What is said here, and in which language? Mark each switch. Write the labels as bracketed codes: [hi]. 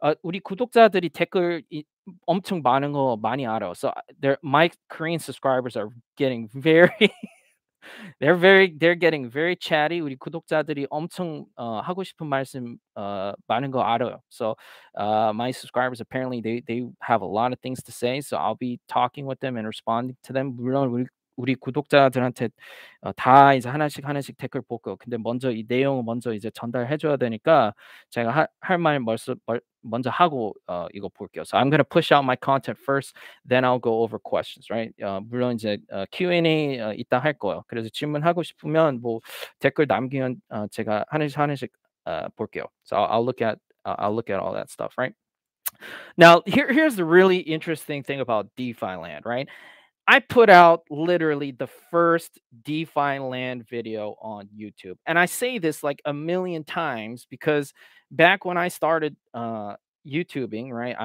[ko] 우리 구독자들이 댓글 엄청 많은 거 많이 알아. [en] So my Korean subscribers are getting very, they're getting very chatty. [ko] 우리 구독자들이 엄청 하고 싶은 말씀 많은 거 알아. [en] So my subscribers, apparently they have a lot of things to say. So I'll be talking with them and responding to them. [ko] 물론 우리 구독자들한테 다 이제 하나씩 댓글 보고 근데 먼저 이 내용을 먼저 이제 전달해 줘야 되니까 제가 할 말 먼저 하고 이거 볼게요. [en] So I'm going to push out my content first, then I'll go over questions, right? [ko] 물론 이제 Q&A 이따 할 거예요. 그래서 질문하고 싶으면 뭐 댓글 남기면 제가 하나씩 볼게요. [en] So I'll look at all that stuff, right? Now, here's the really interesting thing about DeFi Land, right? I put out literally the first DeFi Land video on YouTube. And I say this like a million times because back when I started YouTubing, right?